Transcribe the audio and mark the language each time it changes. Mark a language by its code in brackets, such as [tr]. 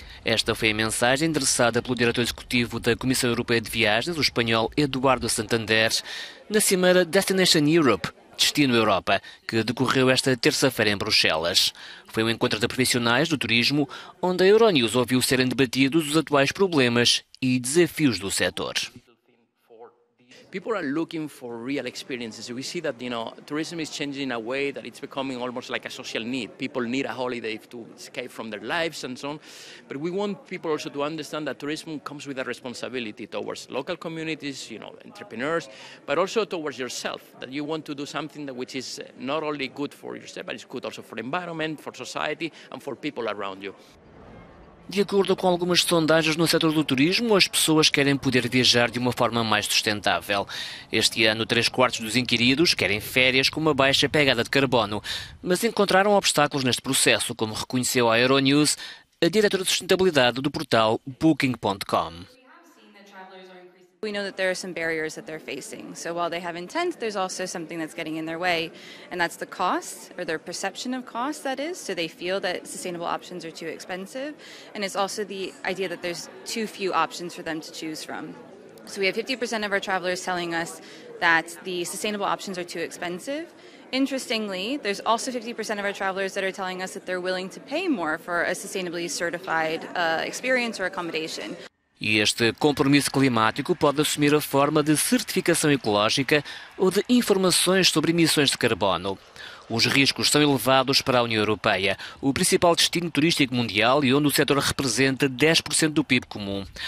[pt] Esta foi a mensagem endereçada pelo diretor executivo da Comissão Europeia de Viagens, o espanhol Eduardo Santander, na cimeira Destination Europe, Destino Europa, que decorreu esta terça-feira em Bruxelas. Foi um encontro de profissionais do turismo, onde a Euronews ouviu serem debatidos os atuais problemas e desafios do setor. [en] People are looking for real experiences. We see that, you know, tourism is changing in a way that it's becoming almost like a social need. People need a holiday to escape from their lives and so on. But we want people also to understand that tourism comes with a responsibility towards local communities, you know, entrepreneurs, but also towards yourself, that you want to do something that which is not only good for yourself, but it's good also for the environment, for society and for people around you. [pt] De acordo com algumas sondagens no setor do turismo, as pessoas querem poder viajar de uma forma mais sustentável. Este ano, 3/4 dos inquiridos querem férias com uma baixa pegada de carbono, mas encontraram obstáculos neste processo, como reconheceu a Euronews, a diretora de sustentabilidade do portal Booking.com. [en] We know that there are some barriers that they're facing. So while they have intent, there's also something that's getting in their way, and that's the cost, or their perception of cost, that is. So they feel that sustainable options are too expensive, and it's also the idea that there's too few options for them to choose from. So we have 50% of our travelers telling us that the sustainable options are too expensive. Interestingly, there's also 50% of our travelers that are telling us that they're willing to pay more for a sustainably certified experience or accommodation. [pt] E este compromisso climático pode assumir a forma de certificação ecológica ou de informações sobre emissões de carbono. Os riscos são elevados para a União Europeia, o principal destino turístico mundial e onde o setor representa 10% do PIB comum.